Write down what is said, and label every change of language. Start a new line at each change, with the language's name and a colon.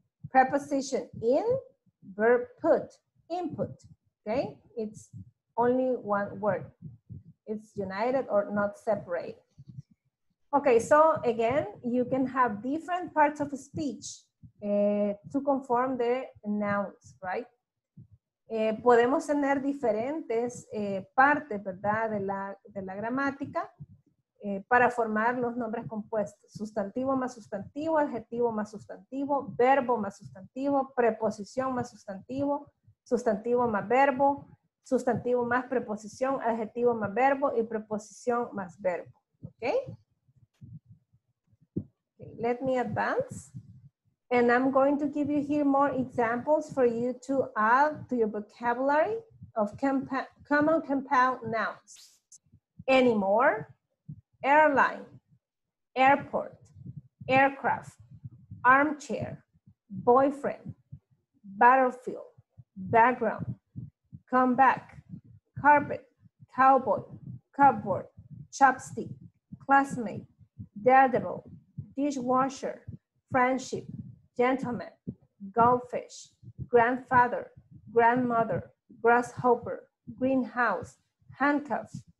English: Preposition in, verb put, input, okay? It's only one word. It's united or not separate. Okay, so again, you can have different parts of a speech to conform the nouns, right?
Spanish: Podemos tener diferentes partes, ¿verdad?, de la gramática para formar los nombres compuestos. Sustantivo más sustantivo, adjetivo más sustantivo, verbo más sustantivo, preposición más sustantivo más verbo, sustantivo más preposición, adjetivo más verbo y preposición más verbo.
English: Okay? Okay, let me advance. And I'm going to give you here more examples for you to add to your vocabulary of common compound nouns. Anymore, airline, airport, aircraft, armchair, boyfriend, battlefield, background, come back, carpet, cowboy, cupboard, chopstick, classmate, daredevil, dishwasher, friendship, gentleman, goldfish, grandfather, grandmother, grasshopper, greenhouse, handcuff,